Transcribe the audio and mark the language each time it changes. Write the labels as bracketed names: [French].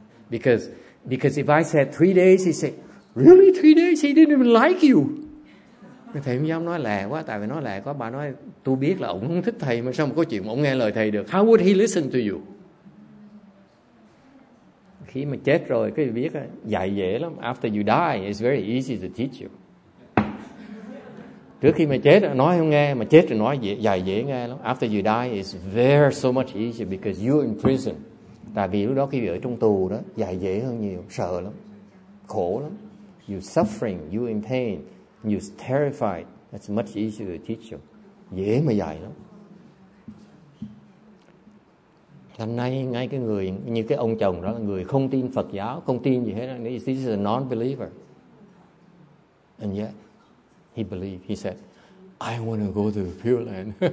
[English] Because if I said 3 days, he said, really 3 days? He didn't even like you. [Vietnamese] Thầy không dám nói lẹ quá, tại vì nói lẹ quá, bà nói, tôi biết là ông không thích thầy, mà sao mà có chuyện mà ông nghe lời thầy được? [English] How would he listen to you? [Vietnamese] Khi mà chết rồi, cái gì biết á, dạy dễ lắm. [English] After you die, it's very easy to teach you. [Vietnamese] Trước khi mà chết, nói không nghe, mà chết rồi nói dạy dễ nghe lắm. [English] After you die, it's very so much easier because you're in prison. [Vietnamese] Tại vì lúc đó khi ở trong tù đó, dạy dễ hơn nhiều, sợ lắm, khổ lắm. [English] You're suffering, you're in pain. You're terrified. That's much easier to teach you. [Vietnamese] Dễ mà dạy lắm. Hôm nay ngay cái người như cái ông chồng đó là người không tin Phật giáo, không tin gì hết. [English] He's just a non-believer. And yet, he believed. He said, I want to go to the Pure Land.